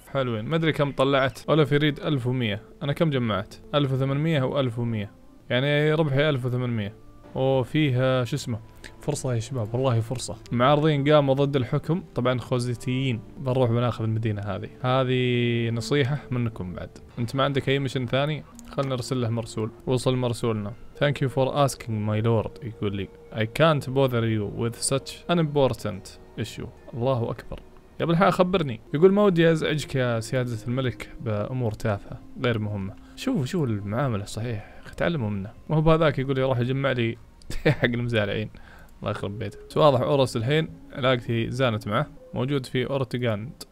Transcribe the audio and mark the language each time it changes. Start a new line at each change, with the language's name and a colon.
Arabic: حلوين، ما أدري كم طلعت. أولف يريد 1100، أنا كم جمعت؟ 1800 و1100، يعني ربحي 1800. وفيها شو اسمه، فرصة يا شباب، والله فرصة. معارضين قاموا ضد الحكم، طبعا خوزيتيين، بنروح بناخذ المدينة هذه. هذه نصيحة منكم بعد، انت ما عندك اي مشن ثاني؟ خلنا نرسل له مرسول. وصل مرسولنا.
English: Thank you for asking my lord،
Arabic: يقول لي
English: I can't bother you with such an important issue.
Arabic: الله اكبر يا ابن الحلال، خبرني. يقول ما ودي ازعجك يا سيادة الملك بامور تافهة غير مهمة. شوف المعاملة الصحيحة، تعلموا منه. وهو بهذاك يقول لي راح يجمع لي حق المزارعين. الله يخرب بيته. تواضح أورس الحين علاقتي زانت معه، موجود في أورتغاند.